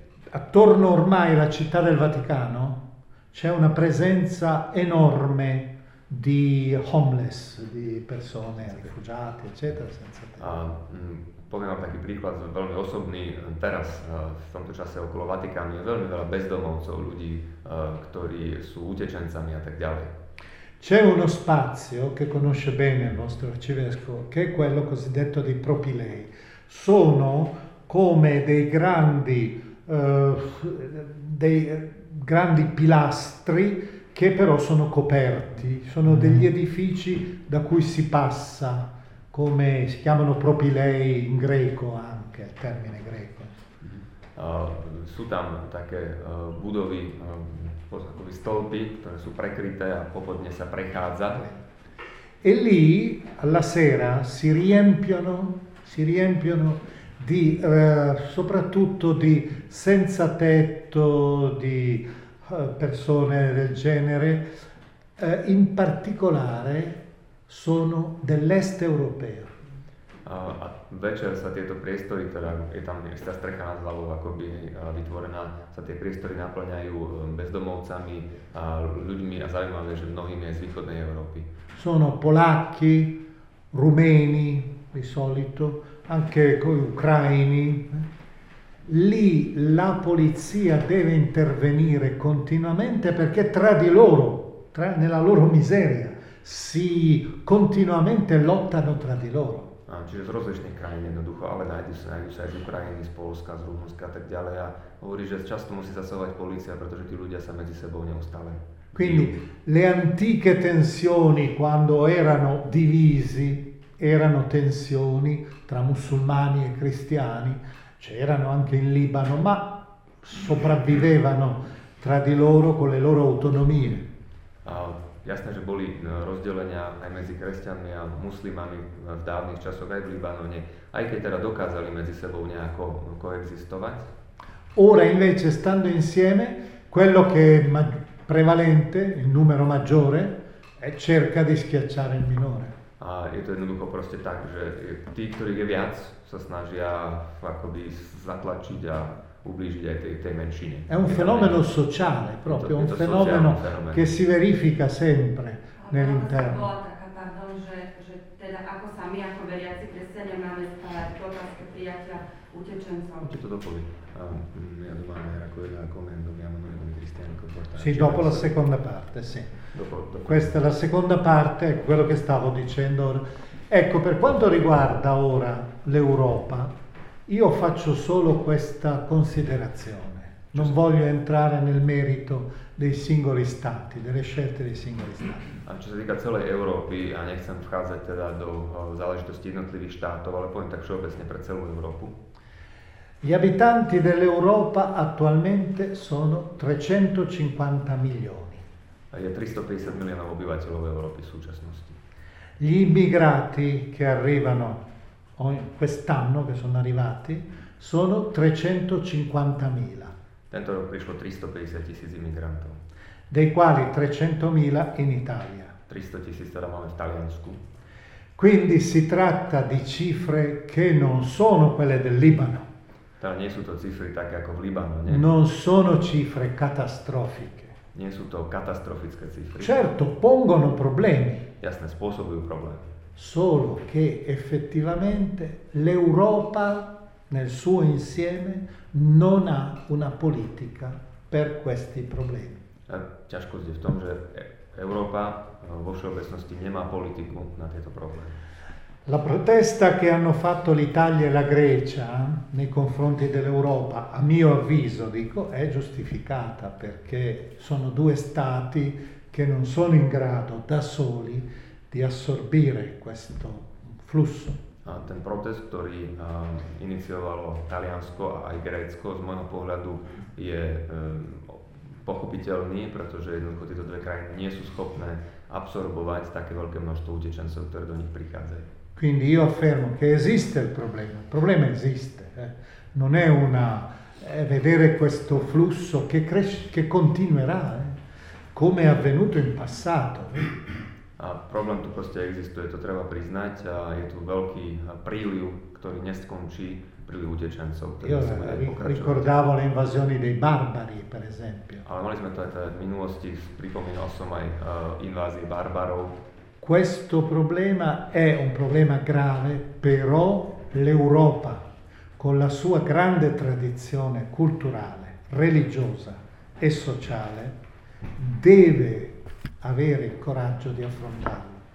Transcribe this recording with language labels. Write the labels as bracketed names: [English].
[Italian] Attorno ormai alla città del Vaticano c'è una presenza enorme di homeless, di persone, rifugiati, eccetera, senza tetto. [Slovak] Poviem vám taký príklad, veľmi osobný. Teraz, v tomto čase okolo Vatikánu, je veľmi veľa bezdomovcov, ľudí, ktorí sú utečencami a tak ďalej. [Italian] C'è uno spazio che conosce bene il nostro arcivescovo, che è quello cosiddetto di propilei. Sono come dei grandi pilastri che però sono coperti, sono degli edifici da cui si passa, come si chiamano propilei in greco anche, termine greco. [Slovak] Sú tam také budovy, akoby stolpy, ktoré sú prekryté a popodne sa prechádza. [Italian] E lì alla sera si riempiono di soprattutto di senza tetto, di persone del genere, in particolare sono dell'est europeo. [Slovak] A večer sa tieto priestory, teda je tam istá strecha nad hlavou akoby vytvorená, sa tie priestory naplňajú bezdomovcami a ľuďmi a zaujímavé, že mnohými aj z východnej Európy. [Italian] Sono Polacchi, Rumeni, di solito, anche con Ucraini. Lì la polizia deve intervenire continuamente perché tra di loro, nella loro miseria, si continuamente lottano tra di loro. [Slovak] Čiže z rozličných krajín jednoducho, ale nájdu sa aj z Ukrajiny, z Polska, z Rumunska a tak ďalej. A hovorí, že často musí zasahovať polícia, pretože tí ľudia sa medzi sebou neustále. [Italian] Quindi le antiche tensioni quando erano divisi, erano tensioni tra musulmani e cristiani, c'erano anche in Libano, ma sopravvivevano tra di loro con le loro autonomie. [Slovak] Jasné, že boli rozdelenia aj medzi kresťanmi a muslimami v dávnych časoch aj v Libanone, aj keď teda dokázali medzi sebou nejako koexistovať. [Italian] Ora invece stando insieme, quello che è prevalente, il numero maggiore, cerca di schiacciare il minore. [Slovak] A je to jednoducho proste tak, že tí, ktorí je viac, sa snažia akoby zatlačiť a ubližiť aj tej menšine. [Italian] È un fenomeno sociale, proprio un fenomeno che si verifica sempre nell'interno. [Slovak] Bola taká, pardon, že teda ako sa my, ako veriaci kresťania, máme stávať otázke prijatia utečencov. Či to dopoví? Ja domáme, ako je rekomendo, ja mám nojom kristianko portáči. [Italian] Sì, dopo la seconda parte, sì. Questa è la seconda parte, quello che stavo dicendo ora. Ecco, per quanto riguarda ora l'Europa, io faccio solo questa considerazione. Non voglio entrare nel merito dei singoli stati, delle scelte dei singoli stati. [Slovak] A čo sa týka celej Európy, a nechcem vchádzať teda do záležitosti jednotlivých štátov, ale poviem tak všeobecne pre celú Európu. [Italian] Gli abitanti dell'Europa attualmente sono 350 milioni. [Slovak] Je 350 miliónov obyvateľov Európy v súčasnosti. [Italian] Gli immigrati che arrivano quest'anno, che sono arrivati, sono 350.000. [Slovak] Tento rok prišlo 350.000 imigrantov. [Italian] Dei quali 300.000 in Italia. [Slovak] 300.000 teda máme v Taliansku. [Italian] Quindi si tratta di cifre che non sono quelle del Libano. [Slovak] Teda nie sú to cifre také ako v Libano, nie? [Italian] Non sono cifre catastrofiche. [Slovak] Nie sú to katastrofické cifre. [Italian] Certo, pongono problemi. [Slovak] Jasné, spôsobujú problémy. [Italian] solo che effettivamente l'Europa nel suo insieme non ha una politica per questi problemi. [Slovak] Ťažkosť je v tom, že Európa vo všeobecnosti nemá politiku na tieto problémy. [Italian] La protesta che hanno fatto l'Italia e la Grecia nei confronti dell'Europa, a mio avviso, dico, è giustificata perché sono due stati che non sono in grado da soli di assorbire questo flusso. [Slovak] A ten protest, ktorý iniciovalo Taliansko a aj Grécko, z môjho pohľadu je pochopiteľný, pretože jednoducho tieto dve krajiny nie sú schopné absorbovať také veľké množstvo utečencov, ktoré do nich prichádzajú. [Italian] Quindi io affermo che esiste il problema esiste, non è una vedere questo flusso che cresce, che continuerà, come è avvenuto in passato. [Slovak] A problém tu proste existuje, to treba priznať, a je tu veľký príliv, ktorý neskončí, príliv utečencov, ktorý sa bude pokračovať. [Italian] Ricordavo le invasioni dei barbari, per esempio. [Slovak] Ale mali sme to aj v minulosti, pripomínal som aj invázie barbarov. [Italian] Questo problema è un problema grave, però l'Europa, con la sua grande tradizione culturale, religiosa e sociale, deve avere il coraggio di affrontarlo.